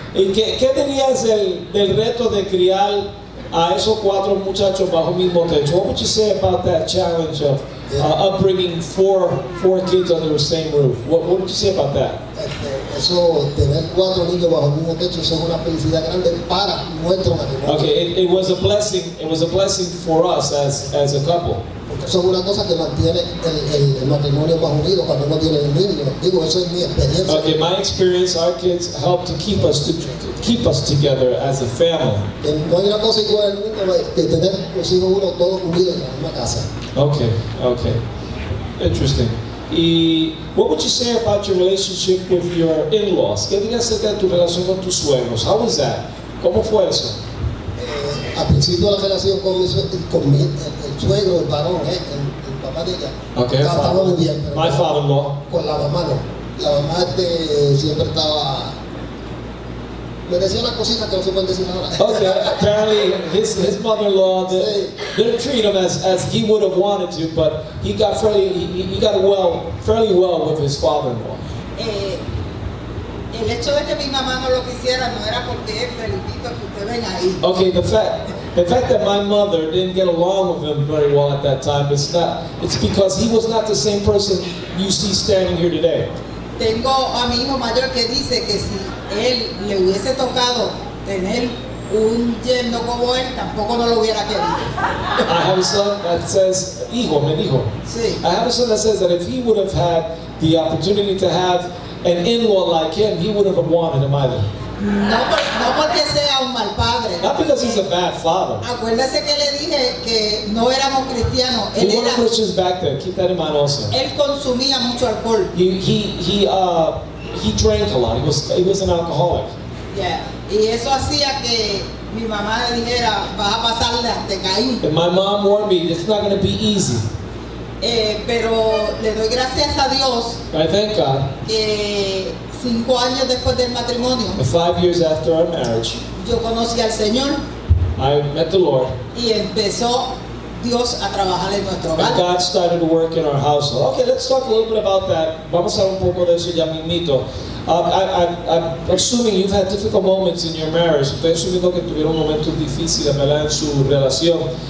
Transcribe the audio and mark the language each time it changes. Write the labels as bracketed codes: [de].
[es] ¿Y qué dirías del reto de criar a esos cuatro muchachos bajo mismo techo? [en] What would you say about that challenge of upbringing four kids under the same roof? What would you say about that? [es] Eso, tener cuatro niños bajo mismo techo, eso es una felicidad grande para nuestro matrimonio. [en] Okay, it was a blessing. It was a blessing for us as a couple. [es] Son una cosa que mantiene el matrimonio más unido cuando uno tiene el niño. Digo, eso es mi experiencia. [en] Okay, my experience, our kids help to keep us together as a family. [es] No hay una cosa igual que tener los hijos uno todos unidos en la misma casa. [en] Okay. Interesting. ¿Y what would you say about your relationship with your in-laws? [es] ¿Qué dirías acerca de tu relación con tus suegros? [en] How was that? [es] ¿Cómo fue eso? Al principio la relación con mi el suegro, el varón, el papá de ella. [en] Okay, [es] estaba muy bien. [en] My father-in-law. [es] Con la mamá no. La mamá siempre estaba. Me decía una cosita que no se puede decir ahora. [en] Okay, apparently his mother-in-law didn't treat him as he would have wanted to, but he got fairly well with his father-in-law. [es] El hecho de que mi mamá no lo quisiera no era porque es Felipito que usted ven ahí. [en] Okay, the fact that my mother didn't get along with him very well at that time, it's because he was not the same person you see standing here today. [es] tengo a mi hijo mayor que dice que si él le hubiese tocado tener un yerno como él, tampoco no lo hubiera querido. [en] I have a son that says, [es] hijo, me dijo. Sí. [en] I have a son that says that if he would have had the opportunity to have an in-law like him, he would have wanted him either. [es] No porque sea un mal padre. [en] Not because he's a bad father. [es] Acuérdese que le dije que no éramos cristianos. [en] We weren't Christians back then. Keep that in mind also. [es] Él consumía mucho alcohol. [en] He drank a lot. He was an alcoholic. [es] Yeah. Y eso hacía que mi mamá le dijera, vas a pasarle hasta caer. [en] And my mom warned me, it's not going to be easy. [es] Pero le doy gracias a Dios. [en] I thank God. [es] Que 5 años después del matrimonio. [en] 5 years after our marriage. [es] Yo conocí al Señor. [en] I met the Lord. [es] Y empezó Dios a trabajar en nuestro hogar. [en] And God started to work in our household. Okay, let's talk a little bit about that. [es] Vamos a hablar un poco de eso ya mismito. [en] I'm assuming you've had difficult moments in your marriage. [es] Estoy asumiendo que tuvieron momentos difíciles, ¿verdad?, en su relación.